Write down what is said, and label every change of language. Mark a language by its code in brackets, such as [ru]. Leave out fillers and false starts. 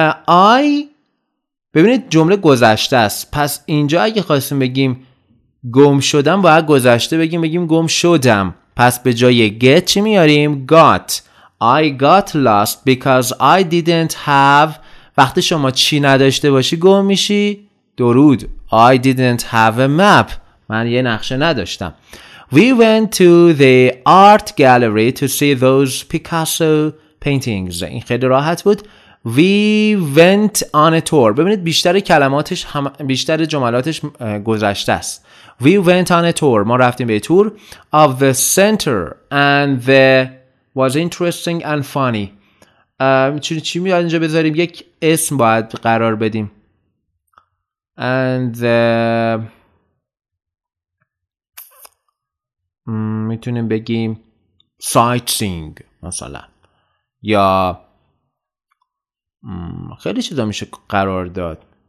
[fa] I ببینید جمله گذشته است، پس اینجا اگه خواستیم بگیم گم شدم باید گذشته بگیم. بگیم گم شدم، پس به جای get چی میاریم؟ got. [en] I got lost because I didn't have. [fa] وقتی شما چی نداشته باشی گم میشی. درود. [en] I didn't have a map. [fa] من یه نقشه نداشتم. [en] We went to the art gallery to see those Picasso paintings. [fa] این خیلی راحت بود. [en] We went on a tour. [fa] ببینید بیشتر کلماتش بیشتر جملاتش گذشته است. [en] We went on a tour. [fa] ما رفتیم به تور. [en] Of the center and the was interesting and funny. [fa] چی میاد اینجا بذاریم؟ یک اسم باید قرار بدیم. and میتونیم بگیم sightseeing مثلا، یا خیلی چیزا میشه قرار داد.